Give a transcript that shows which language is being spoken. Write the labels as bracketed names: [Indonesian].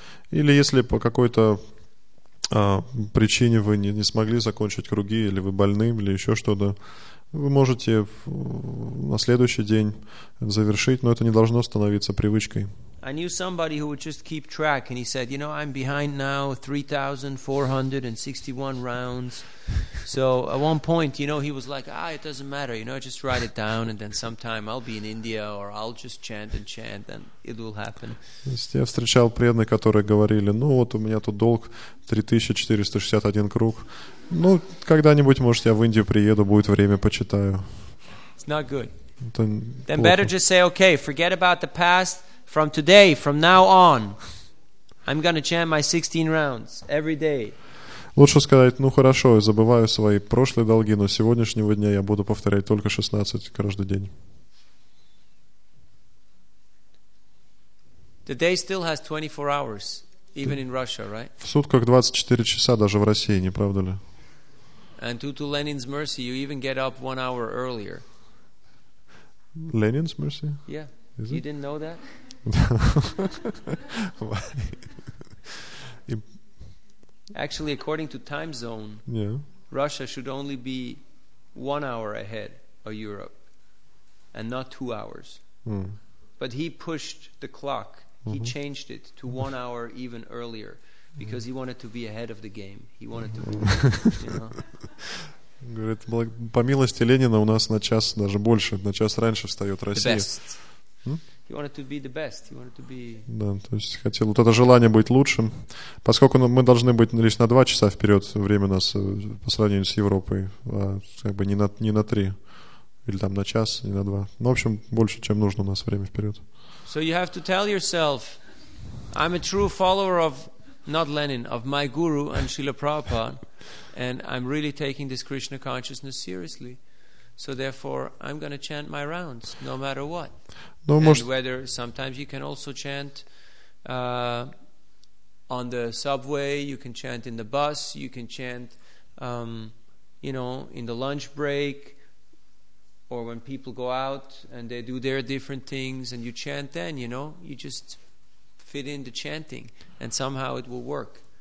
[Russian] Или если по какой-то причине вы не смогли закончить круги, или вы больны, или еще что-то, вы можете на следующий день завершить, но это не должно становиться привычкой. [English] I knew somebody who would just keep track, and he said, I'm behind now 3,461 rounds. So at one point, he was like, it doesn't matter, just write it down, and then sometime I'll be in India, or I'll just chant and chant, and it will happen. [Russian] Я встречал преданных, которые говорили, вот у меня тут долг 3,461 круг. Когда-нибудь, может, я в Индию приеду, будет время, почитаю. [English] It's not good. Then better just say, okay, forget about the past. From today, from now on, I'm going to chant my 16 rounds every day. [Russian] Лучше сказать, хорошо, я забываю свои прошлые долги, но с сегодняшнего дня я буду повторять только 16 каждый день. [English] The day still has 24 hours, even in Russia, right? [Russian] В сутках 24 часа даже в России, не правда ли? [English] And due to Lenin's mercy, you even get up 1 hour earlier. Lenin's mercy? Yeah. Is it? You didn't know that? Actually, according to time zone, Russia should only be 1 hour ahead of Europe and not 2 hours. But he pushed the clock, he changed it to 1 hour even earlier because he wanted to be ahead of the game. He wanted to [Russian] Говорит, по милости Ленина у нас на час даже больше, на час раньше встает Россия. [English] He wanted to be the best. He wanted to be. [Russian] Да, то есть хотел это желание быть лучшим, поскольку мы должны быть лишь на 2 часа вперед время нас по сравнению с Европой, не на 3 или там на час, не на 2. В общем, больше, чем нужно у нас время вперед. [English] So you have to tell yourself, I'm a true follower of not Lenin, of my guru and Srila Prabhupada, and I'm really taking this Krishna consciousness seriously. So therefore, I'm going to chant my rounds, no matter what. Whether sometimes you can also chant on the subway, you can chant in the bus, you can chant, in the lunch break, or when people go out and they do their different things, and you chant then, you just fit in the chanting, and somehow it will work.